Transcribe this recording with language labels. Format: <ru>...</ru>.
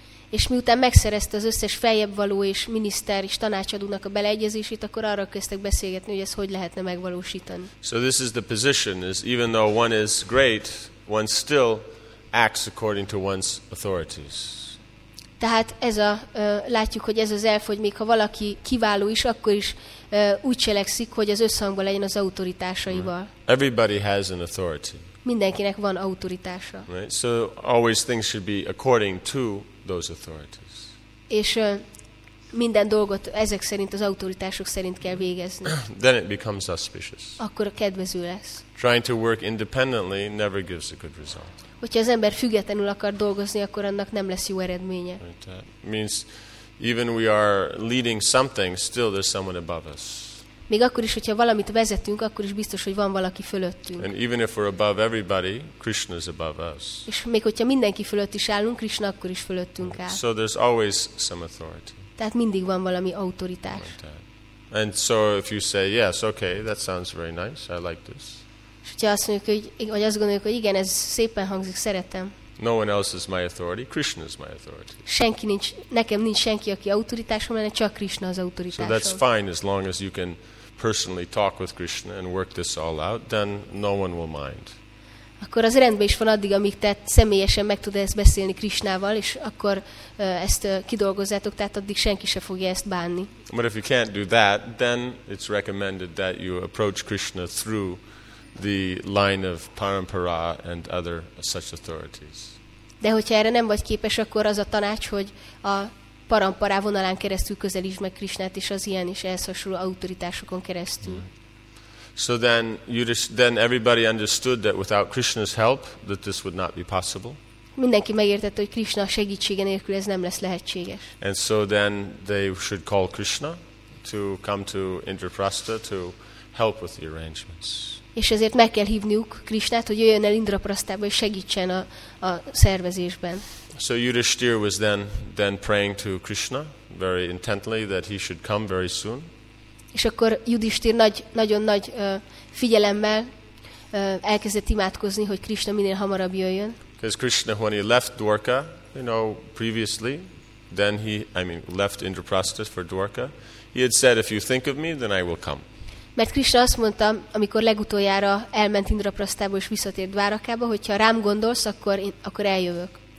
<hu>És miután megszerezte az összes feljebb való és miniszter és tanácsadónak a beleegyezését, akkor arra kezdtek beszélgetni, hogy ez hogy lehetne megvalósítani.</hu> <en>So this is the position, is even though one is great, one still acts according to one's authorities.</en> <hu>Tehát ez a látjuk, hogy ez az elf, hogy még ha valaki kiváló is, akkor is úgy cselekszik, hogy az összhangban legyen az autoritásaival.</hu> <en>Everybody has an authority.</en> <hu>Mindenkinek van autoritása.</hu> <en>Right? So always things should be according to those authorities.</en> <hu>És minden dolgot ezek szerint, az autoritások szerint kell végezni.</hu> <en>Then it becomes auspicious.</en> <hu>Akkor kedvező lesz.</hu> <en>Trying to work independently never gives a good result.</en> <hu>Hogyha az ember függetlenül akar dolgozni, akkor annak nem lesz jó eredménye.</hu> <en>Right, that means even we are leading something, still there's someone above us.</en> <hu>Még akkor is, hogyha valamit vezetünk, akkor is biztos, hogy van valaki fölöttünk.</hu> <en>And even if we're above everybody, Krishna is above us.</en> <hu>És még hogyha mindenki fölött is állunk, Krishna akkor is fölöttünk áll.</hu> <en>So there's always some authority.</en> <hu>Tehát mindig van valami autoritás.</hu> <en>And so if you say yes, okay, that sounds very nice, I like this.</en> <hu>És hogyha azt mondjuk, hogy azt gondoljuk, hogy igen, ez szépen hangzik, szeretem.</hu> <en>No one else is my authority. Krishna is my authority.</en> <hu>Senki nincs, nekem nincs senki, aki autoritásom lenne, csak Krishna az autoritásom.</hu> <en>So that's fine as long as you can personally talk with Krishna and work this all out, then no one will mind.</en> <hu>Akkor az rendben is van addig, amíg te személyesen meg tudod ezt beszélni Krishnával, és akkor ezt kidolgozzátok, tehát addig senki se fogja ezt bánni.</hu> <en>But if you can't do that, then it's recommended that you approach Krishna through the line of parampara and other such authorities.</en> <hu>De hogyha erre nem vagy képes, akkor az a tanács, hogy a parampara vonalán keresztül közelítsd meg Krishnát, és az ilyen is ehhez hasonló autoritásokon keresztül.</hu> <en>So then everybody understood that without Krishna's help that this would not be possible.</en> <hu>Mindenki megértette, hogy Krishna segítsége nélkül ez nem lesz lehetséges.</hu> <en>And so then they should call Krishna to come to Indraprastha to help with the arrangements.</en> <hu>És ezért meg kell hívniuk Krishnát, hogy jöjjön el Indraprasthába, és segítsen a szervezésben.</hu> <en>So Yudhishthir was then praying to Krishna very intently that he should come very soon.</en> <hu>És akkor Yudhishthir nagyon nagy figyelemmel elkezdett imádkozni, hogy Krishna minél hamarabb jöjjön.</hu> <en>Because Krishna, when he left Dwarka, you know, previously, then he, I mean, left Indraprastha for Dwarka, he had said, if you think of me, then I will come.</en> <hu>Mert Krishna azt mondta, amikor legutoljára elment Indraprasthába és visszatért Dvárakába, hogy ha rám gondolsz, akkor eljövök.</hu>